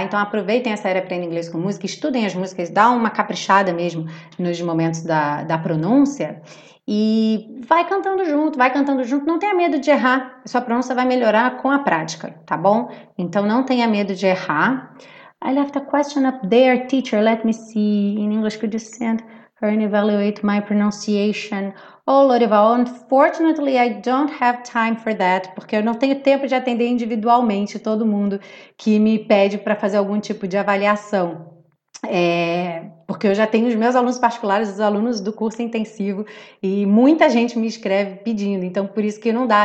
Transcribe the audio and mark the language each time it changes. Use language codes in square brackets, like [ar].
[pt] Então aproveitem essa era Aprenda Inglês com Música, estudem as músicas, dá uma caprichada mesmo nos momentos da pronúncia e vai cantando junto, não tenha medo de errar, sua pronúncia vai melhorar com a prática, tá bom? Então não tenha medo de errar. [en] I left a question up there, teacher, let me see. In English, could you send her and evaluate my pronunciation? Oh, Lorival, unfortunately, I don't have time for that, [pt] porque eu não tenho tempo de atender individualmente todo mundo que me pede para fazer algum tipo de avaliação. Porque eu já tenho os meus alunos particulares, os alunos do curso intensivo, e muita gente me escreve pedindo, então por isso que não dá.